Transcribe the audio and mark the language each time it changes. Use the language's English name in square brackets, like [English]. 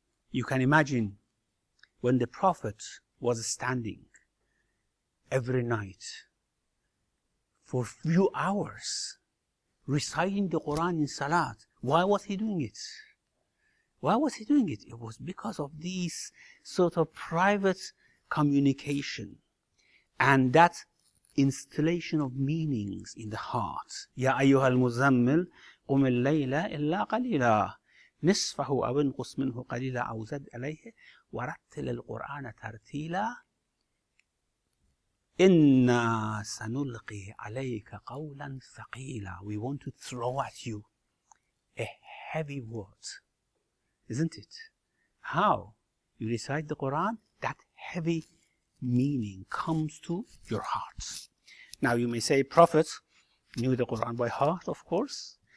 [English] You can imagine when the Prophet was standing every night for a few hours reciting the Quran in Salat. Why was he doing it? It was because of this sort of private communication and that installation of meanings in the heart. [Arabic] يا أيها المزمل قم الليل إلا قليلا نصفه أو انقص منه قليلا أو زد عليه ورتل القرآن ترتيلا إنا سنلقي عليك قولا ثقيلا. [English] We want to throw at you a heavy word, isn't it? How you recite the Quran, that heavy meaning comes to your heart. Now you may say Prophet knew the Quran by heart, of course.